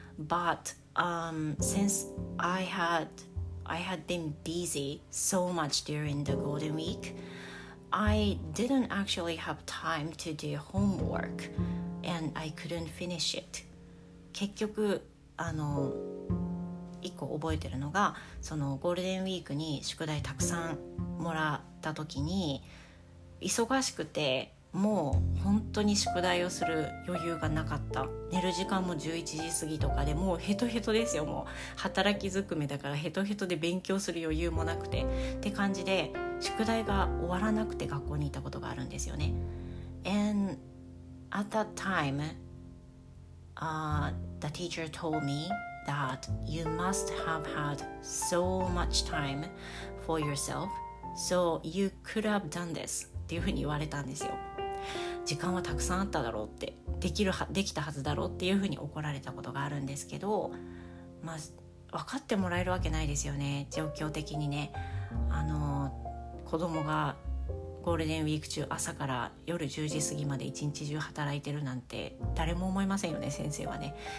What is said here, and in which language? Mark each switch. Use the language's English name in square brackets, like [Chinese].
[English] But since I had been busy so much during the Golden Week, I didn't actually have time to do homework. And I couldn't finish it. [Japanese] 結局一個覚えてるのがそのゴールデンウィークに宿題たくさんもらった時に忙しくてもう本当に宿題をする余裕がなかった。寝る時間も11時過ぎとかでもうヘトヘトですよ。もう働きづくめだからヘトヘトで勉強する余裕もなくてって感じで宿題が終わらなくて学校に行ったことがあるんですよね。 [English] AndAt that time, the teacher told me that you must have had so much time for yourself, so you could have done this. [Japanese] っていうふうに言われたんですよ。時間はたくさんあっただろうって、できたはずだろうっていうふうに怒られたことがあるんですけど、まあ、分かってもらえるわけないですよね。状況的にね、子供がゴールデンウィーク中朝から夜10時過ぎまで一日中働いてるなんて誰も思いませんよね、先生はね。